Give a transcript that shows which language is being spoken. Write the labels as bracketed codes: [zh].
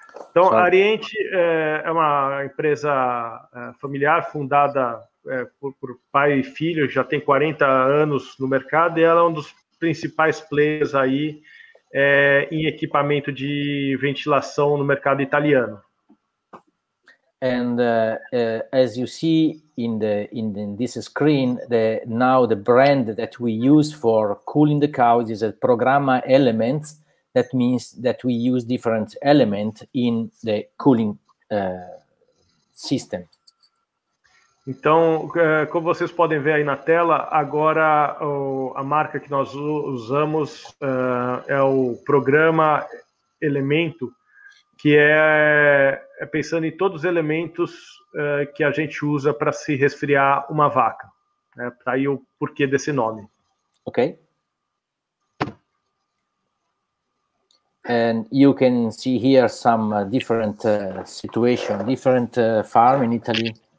[pt] Então, a Ariente é uma empresa familiar fundada por pai e filho, já tem 40 anos no mercado, e ela é um dos principais players aí em equipamento de ventilação no mercado italiano. [en] And as you see in this screen, the brand that we use for cooling the cows is a Programma Elements. That means that we use different elements in the cooling system. [pt] Então, como vocês podem ver aí na tela, agora a marca que nós usamos é o programa Elemento, que é pensando em todos os elementos que a gente usa para se resfriar uma vaca. Está aí o porquê desse nome. Ok. [en] And you can see here some different situation, different farm in Italy.